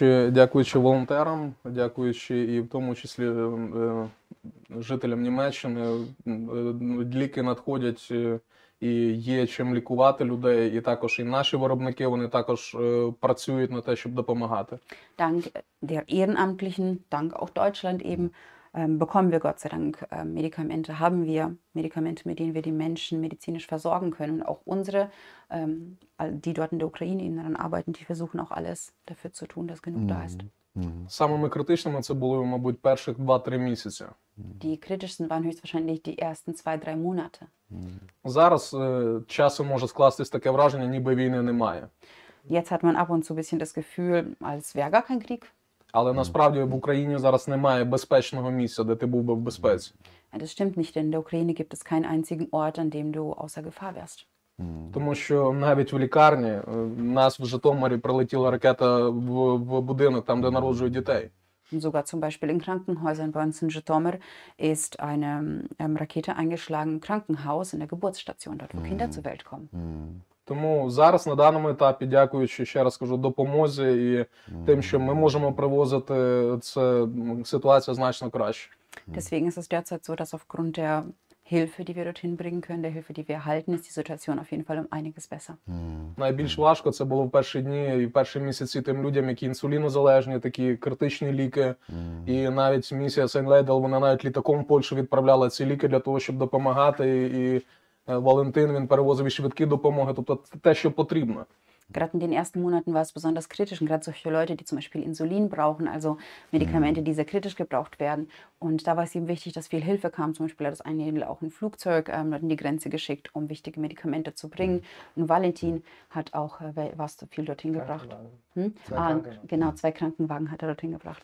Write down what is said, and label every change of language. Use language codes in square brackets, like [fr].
[uk] Дякуючи волонтерам, дякуючи і в тому числі жителям Німеччини, ліки надходять і є чим лікувати людей, і також і наші виробники, вони також працюють на те, щоб допомагати. [de] Dank der Ehrenamtlichen, dank auch Deutschland eben, bekommen wir Gott sei Dank Medikamente, haben wir Medikamente, mit denen wir die Menschen medizinisch versorgen können. Und auch unsere, die dort in der Ukraine eben daran arbeiten, die versuchen auch alles dafür zu tun, dass genug mm-hmm. da ist. [uk] Самими критичними це були, мабуть, перші 2-3 місяці. [de] Die kritischsten waren höchstwahrscheinlich die ersten 2-3 Monate. [uk] Зараз часом може скластись таке враження, ніби війни немає. [de] Jetzt hat man ab und zu ein bisschen das Gefühl, als wäre gar kein Krieg. [uk] Але насправді в Україні зараз немає безпечного місця, де ти був би в безпеці. [de] Das stimmt nicht, denn in der Ukraine gibt es keinen einzigen Ort, an dem du außer Gefahr wärst. [uk] Тому що навіть в лікарні нас в Житомирі прилетіла ракета в будинок, там де народжують дітей. [de] Sogar zum Beispiel in Krankenhäusern bei uns in Житомир ist eine Rakete eingeschlagen im Krankenhaus, in der Geburtsstation, dort wo Kinder zur Welt kommen. [uk] Тому зараз на даному етапі, дякуючи, ще раз кажу, допомозі і тим, що ми можемо привозити, це ситуація значно краще. [de] Deswegen ist es derzeit so, dass aufgrund der Hilfe, die wir dorthin bringen können, der Hilfe, die wir erhalten, ist die Situation auf jeden Fall um einiges besser. [uk] Найбільш важко це було в перші дні і перші місяці тим людям, які інсулінозалежні, такі критичні ліки. І навіть місія Сейнлейдел, вона навіть літаком в Польщу відправляла ці ліки для того, щоб допомагати. І Валентин, він перевозив і швидкі допомоги, тобто те, що потрібно. [de] Gerade in den ersten Monaten war es besonders kritisch. Und gerade solche Leute, die zum Beispiel Insulin brauchen, also Medikamente, die sehr kritisch gebraucht werden. Und da war es eben wichtig, dass viel Hilfe kam. Zum Beispiel hat das eine Händler auch ein Flugzeug dort in die Grenze geschickt, um wichtige Medikamente zu bringen. Und Valentin hat auch was zu viel dorthin gebracht. Zwei Krankenwagen hat er dorthin gebracht.